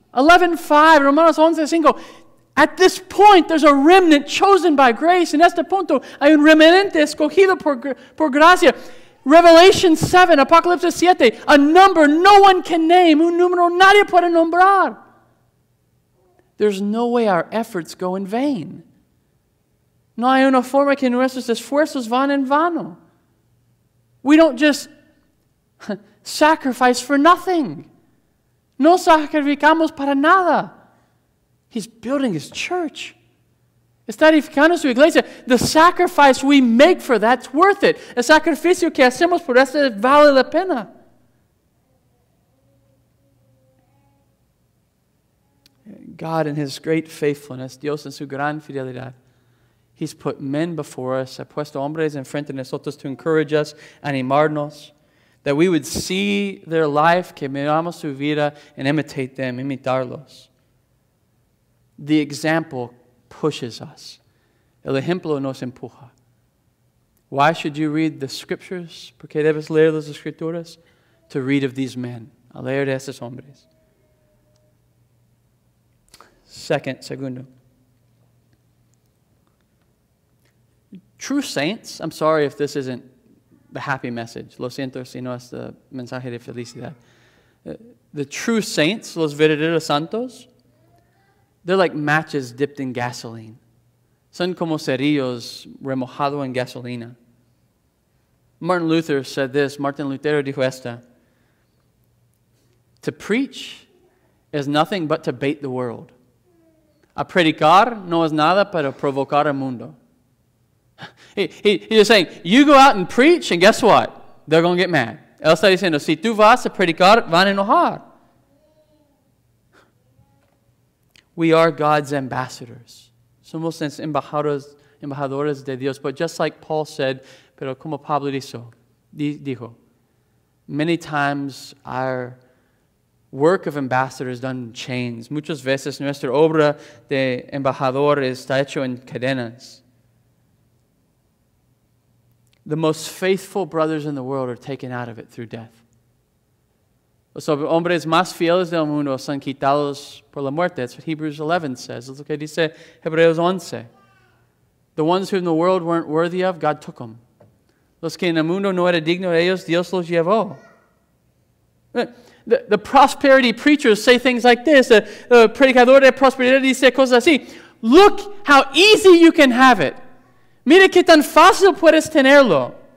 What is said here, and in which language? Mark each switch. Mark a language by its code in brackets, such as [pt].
[en] Romanos 11:5, at this point, there's a remnant chosen by grace. [es] En este punto, hay un remanente escogido por gracia. [en] Revelation 7, Apocalipsis 7, a number no one can name. [es] Un número nadie puede nombrar. [en] There's no way our efforts go in vain. [es] No hay una forma que nuestros esfuerzos van en vano. [en] We don't just sacrifice for nothing. [es] No sacrificamos para nada. [en] He's building his church. [es] Está edificando su iglesia. [en] The sacrifice we make for that's worth it. [es] El sacrificio que hacemos por eso vale la pena. [en] God in his great faithfulness, [es] Dios en su gran fidelidad, [en] he's put men before us, [es] ha puesto hombres en frente de nosotros [en] to encourage us, animarnos, that we would see their life, [es] que miramos su vida, [en] and imitate them, imitarlos. The example pushes us. [es] El ejemplo nos empuja. [en] Why should you read the scriptures? [es] ¿Por qué debes leer las escrituras? [en] To read of these men. [es] A leer de esos hombres. Segundo. [en] True saints, I'm sorry if this isn't the happy message. [es] Lo siento si no es el mensaje de felicidad. [en] The true saints, [es] los verdaderos santos, [en] they're like matches dipped in gasoline. [es] Son como cerillos remojado en gasolina. [en] Martin Luther said this. [es] Martin Lutero dijo esta. [en] To preach is nothing but to bait the world. [es] A predicar no es nada para provocar el mundo. [en] He's saying, you go out and preach, and guess what? They're going to get mad. [es] Él está diciendo, si tú vas a predicar, van a enojar. [en] We are God's ambassadors. [es] Somos embajadores de Dios. [en] But just like Paul said, [es] pero como Pablo dijo, [en] many times our work of ambassador is done in chains. [es] Muchas veces nuestra obra de embajador está hecho en cadenas. [en] The most faithful brothers in the world are taken out of it through death. [es] Los hombres más fieles del mundo son quitados por la muerte. [en] That's what Hebrews 11 says. Look what he says, Hebreos 11. The ones who in the world weren't worthy of, God took them. [es] Los que en el mundo no era digno de ellos, Dios los llevó. [en] The prosperity preachers say things like this. The [es] predicador de prosperidad dice cosas así. [en] Look how easy you can have it. [es] Mira qué tan fácil puedes tenerlo.